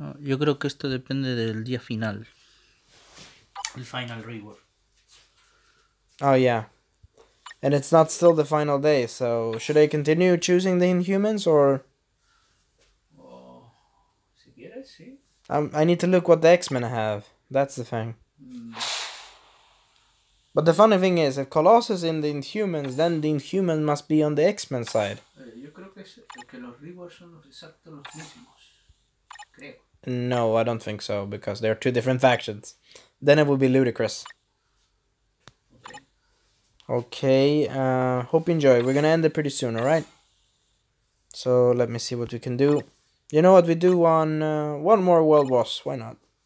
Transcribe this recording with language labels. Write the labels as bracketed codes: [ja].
[es] Yo creo que esto depende del día final. [en] El final reward. Oh, yeah. And it's not still the final day, so should I continue choosing the Inhumans, or? [es] Si quieres, sí. [en] I need to look what the X-Men have. That's the thing. But the funny thing is, if Colossus is in the Inhumans, then the Inhuman must be on the X-Men side. [es] Yo creo que los rivals son exactos los mismos. Creo. [en] No, I don't think so, because they're two different factions. Then it would be ludicrous. Okay, hope you enjoy. We're gonna end it pretty soon, alright? So, let me see what we can do. You know what, we do one more world boss, why not?